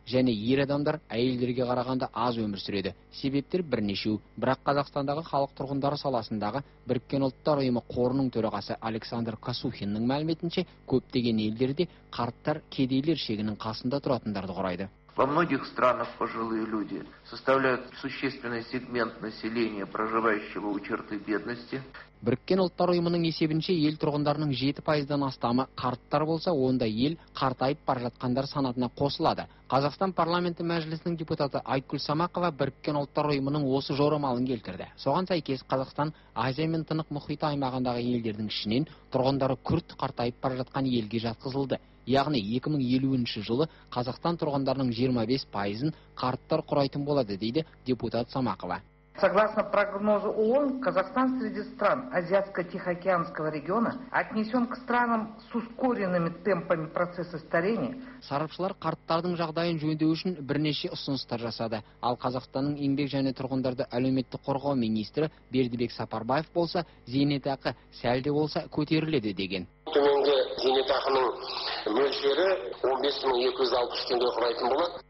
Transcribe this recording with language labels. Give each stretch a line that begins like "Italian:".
Kazakh: Және ер адамдар әйелдерге қарағанда аз өмір сүреді. Себептер бірнешеу, бірақ Қазақстандағы халық тұрғындары саласындағы Біріккен ұлттар ұйымы қорының төрағасы Александр Касухиннің мәліметінше, көптеген елдерде қарттар кедейлер шегінің қасында тұратындарды құрайды.
Russian: Во многих странах пожилые люди составляют существенный сегмент населения, проживающего у черты бедности.
Kazakh: Біріккен ұлттар ұйымының есебінше ел тұрғындарының 7%-дан астамы қарттар болса, онда ел қартайып бара жатқандар санатына қосылады. Қазақстан парламенті мәжілісінің депутаты Айткүл Самақова Біріккен ұлттар ұйымының осы жорамалын келтірді. Соған сәйкес Қазақстан Азия мен Тынық мұхиты аймағындағы елдердің ішінен тұрғындары күрт қартайып бара жатқан елге жатқызылды. Яғни 2050 жылы Қазақстан тұрғындарының 25%-ын қарттар құрайтын болады, дейді депутат Самақова.
Russian: Согласно прогнозу ООН, Казахстан среди стран Азиатско-Тихоокеанского региона отнесен к странам с ускоренными темпами процесса старения.
Kazakh: Сарапшылар қарттардың жағдайын жөндеу үшін бірнеше ұсыныстар жасады. Ал Қазақстанның еңбек және тұрғындарды әлеуметтік қорғау министрі Бердібек Сапарбаев болса, зейнетақы сәл де болса көтеріледі деген. Төменгі зейнетақының мөлшері 15,260 теңге құрайтын болады.